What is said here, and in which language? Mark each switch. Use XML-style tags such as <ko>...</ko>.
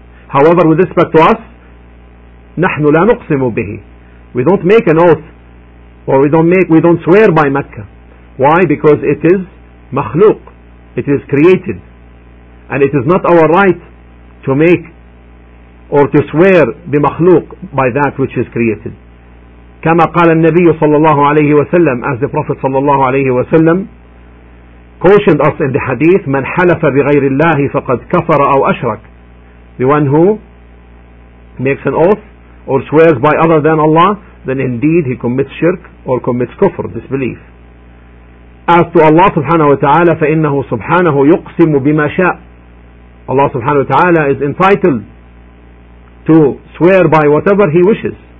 <en>However, with respect to us,</en> <ar>نحن لا نقسم به,</ar> <en>we don't make an oath, or we don't swear by Mecca. Why? Because it is makhluq, it is created, and it is not our right to make or to swear بمخلوق by that which is created.</en> <ar>كما قال النبي صلى الله عليه وسلم,</ar> <en>as the Prophet</en> <ar>صلى الله عليه وسلم</ar> <en>cautioned us in the hadith,</en> <ar>من حلف بغير الله فقد كفر أو أشرك.</ar> <en>The one who makes an oath or swears by other than Allah, then indeed he commits shirk or commits kufr, disbelief. As to Allah subhanahu wa ta'ala,</en> <ar>فَإِنَّهُ سُبْحَانَهُ يُقْسِمُ بِمَا شَاءَ.</ar> <en>Allah subhanahu wa ta'ala is entitled to swear by whatever he wishes.</en>